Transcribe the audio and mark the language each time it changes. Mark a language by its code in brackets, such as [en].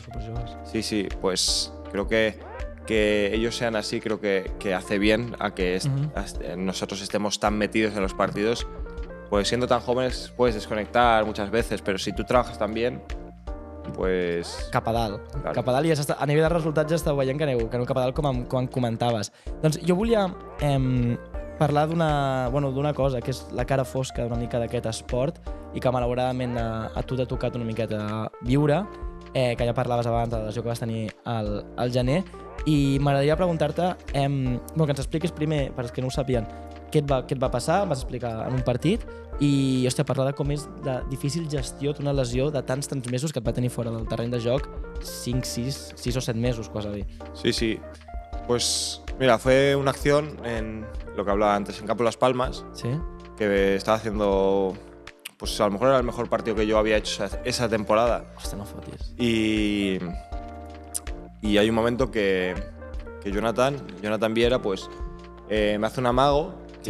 [es] Super sí, pues creo que ellos sean así, creo que hace bien a que nosotros estemos tan metidos en los partidos. Pues siendo tan jóvenes puedes desconectar muchas veces, pero si tú trabajas tan bien, pues… [ca] Cap a dalt. Claro. Cap a dalt, i és, a nivell de resultats ja està veient que aneu cap a dalt, com comentaves. Doncs jo volia… parlar d'una cosa, que és la cara fosca una mica d'aquest esport i que malauradament a tu t'ha tocat una miqueta viure, que ja parlaves abans de la lesió que vas tenir al gener, i m'agradaria preguntar-te, que ens expliquis primer, per als que no ho sàpien, què et va passar, vas explicar en un partit, i hòstia, parlar de com és de difícil gestió d'una lesió de tants mesos que et va tenir fora del terreny de joc, 5, 6, 6 o 7 mesos, quasi a dir. [es] Sí. Pues mira, fue una acción en lo que hablaba antes, en Campo Las Palmas, ¿sí? Que estaba haciendo, pues a lo mejor era el mejor partido que yo había hecho esa temporada. [ca] Hostia, no fotis. [es] Y hay un momento que Jonathan Viera, pues me hace un amago, ¿sí?